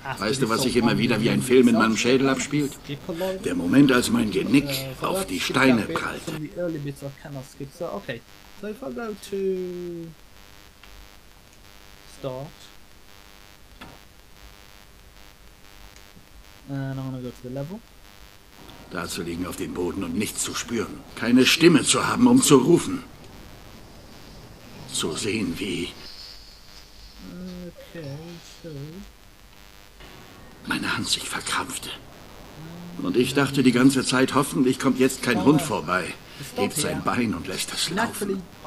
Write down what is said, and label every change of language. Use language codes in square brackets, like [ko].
[de] Weißt du, was sich immer wieder wie ein Film in meinem Schädel abspielt? Der Moment, als mein Genick auf die Steine prallte. [en] So if I go to start, and I'm gonna go to the level. [de] Da zu liegen auf dem Boden und nichts zu spüren, keine Stimme zu haben, um zu rufen, zu sehen wie meine Hand sich verkrampfte. Und ich dachte die ganze Zeit, hoffentlich kommt jetzt kein Hund vorbei, hebt sein Bein und lässt es laufen.